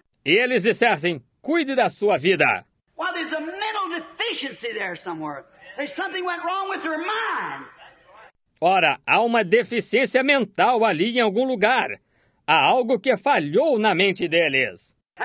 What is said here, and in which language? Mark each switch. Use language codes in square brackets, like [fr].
[pt] E eles dissessem, cuide da sua vida. [en] Well, there's a mental deficiency there somewhere. There's something went wrong with their mind. [pt] Ora, há uma deficiência mental ali em algum lugar. Há algo que falhou na mente deles.